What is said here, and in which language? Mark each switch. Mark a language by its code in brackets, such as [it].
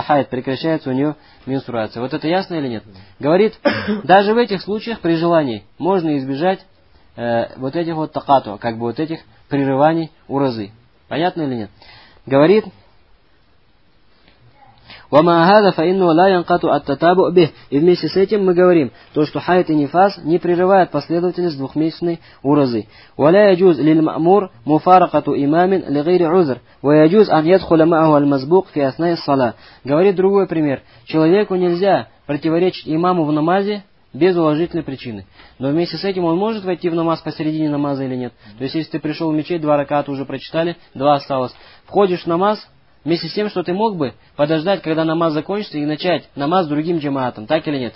[ru] Прекращается у нее менструация. Вот это ясно или нет? Говорит, даже в этих случаях при желании можно избежать вот этих вот такату, как бы вот этих прерываний уразы. Понятно или нет? Говорит, [ar] وما هذا فإنه لا ينقطع التتابع به. [ru] И вместе с этим мы говорим, то что хайт и нифас не прерывают последовательность двухмесячной уразы. [ar] ولا يجوز للمأمور مفارقة إمام لغير عذر ويجوز أن يدخل معه المسبوق في أثناء الصلاة. [ru] Говорит другой пример. Человеку нельзя противоречить имаму в намазе без уважительной причины. Но вместе с этим он может войти в намаз посередине намаза или нет? То есть если ты пришел в мечеть, два раката уже прочитали, два осталось. Входишь в намаз вместе с тем, что ты мог бы подождать, когда намаз закончится, и начать намаз с другим джамаатом, так или нет?